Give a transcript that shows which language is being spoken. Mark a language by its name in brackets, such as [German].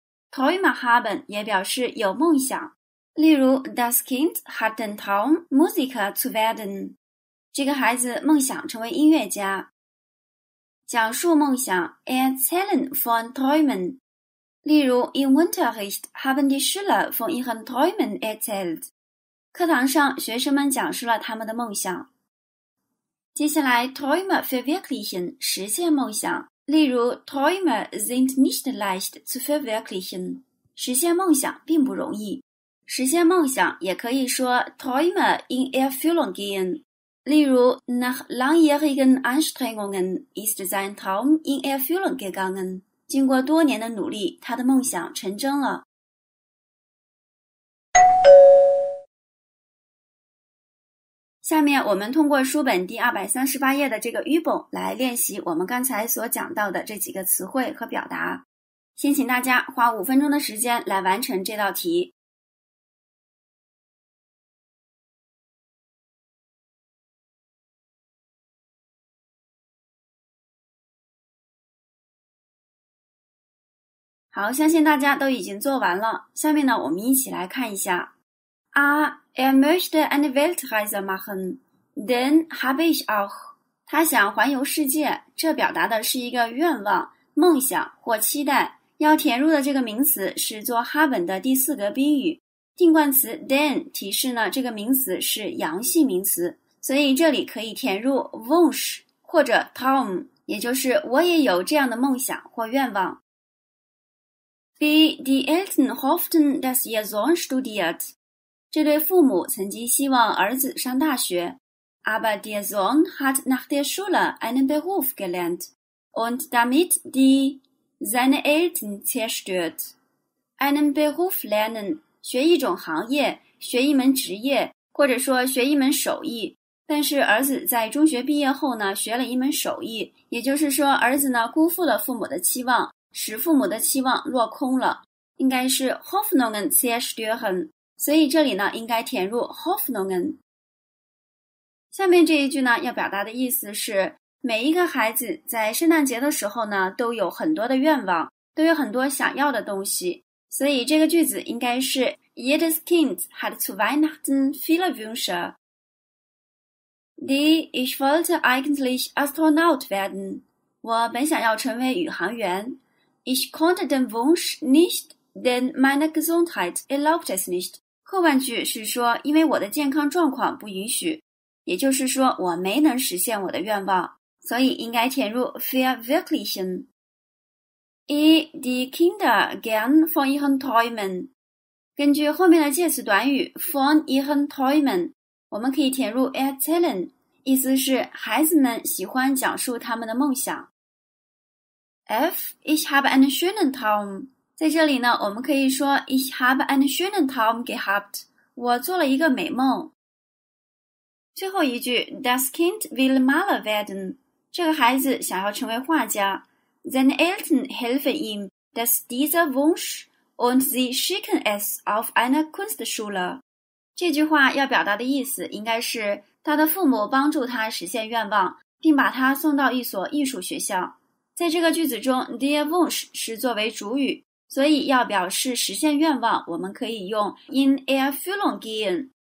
[German] Träume haben [Chinese] 也表示有梦想。例如 [German] Das Kind hat den Traum, Musiker zu werden， [Chinese] 这个孩子梦想成为音乐家。讲述梦想 [German] Erzählen von Träumen， [Chinese] 例如 [German] Im Unterricht haben die Schüler von ihren Träumen erzählt， [Chinese] 课堂上学生们讲述了他们的梦想。接下来 [German] Träume verwirklichen， [Chinese] 实现梦想。例如 [German] Träume sind nicht leicht zu verwirklichen， [Chinese] 实现梦想并不容易。实现梦想也可以说 [German] Träume in Erfüllung gehen， [Chinese] 例如 [German] Nach langjährigen Anstrengungen ist sein Traum in Erfüllung gegangen， [Chinese] 经过多年的努力，他的梦想成真了。下面我们通过书本第238页的这个 Übung 来练习我们刚才所讲到的这几个词汇和表达，先请大家花5分钟的时间来完成这道题。好，相信大家都已经做完了。下面呢，我们一起来看一下。 [German] Er möchte eine Weltreise machen, denn habe ich auch. [Chinese] 他想环游世界，这表达的是一个愿望、梦想或期待。要填入的这个名词是做 haben 的第四格宾语。定冠词 den 提示呢，这个名词是阳性名词，所以这里可以填入 Wunsch 或者 Traum， 也就是我也有这样的梦想或愿望。 B. [German] Die Eltern hofften, dass ihr Sohn studiert. [Chinese] 这对父母曾经希望儿子上大学。 [German] Aber der Sohn hat nach der Schule einen Beruf gelernt und damit die seine Eltern zerstört. Einen Beruf lernen, [Chinese] 学一种行业，学一门职业，或者说学一门手艺。但是儿子在中学毕业后呢，学了一门手艺，也就是说儿子呢，辜负了父母的期望。使父母的期望落空了，应该是 [German] Hoffnungen zerstören， [Chinese] 所以这里呢应该填入 Hoffnungen。下面这一句呢要表达的意思是，每一个孩子在圣诞节的时候呢都有很多的愿望，都有很多想要的东西，所以这个句子应该是 [German] Jedes Kind hat zu Weihnachten viele Wünsche。 Die ich wollte eigentlich Astronaut werden， [Chinese] 我本想要成为宇航员。 [German] Ich konnte den Wunsch nicht, denn meine Gesundheit erlaubt es nicht. [Chinese] 后半句是说，因为我的健康状况不允许，也就是说我没能实现我的愿望，所以应该填入 verwirklichen. [German] Die Kinder gern von ihren Träumen. [Chinese] 根据后面的介词短语 [German] von ihren Träumen， [Chinese] 我们可以填入 erzählen， 意思是孩子们喜欢讲述他们的梦想。 F. [German] Ich habe einen schönen Traum. [Chinese] 在这里呢，我们可以说 [German] Ich habe einen schönen Traum gehabt. [Chinese] 我做了一个美梦。最后一句 [German] Das Kind will Maler werden. [Chinese] 这个孩子想要成为画家。 [German] Seine Eltern helfen ihm, dass dieser Wunsch und sie schicken es auf eine Kunstschule. [Chinese] 这句话要表达的意思应该是，他的父母帮助他实现愿望，并把他送到一所艺术学校。在这个句子中 ，der Wunsch 是作为主语，所以要表示实现愿望，我们可以用 [German] in Erfüllung gehen。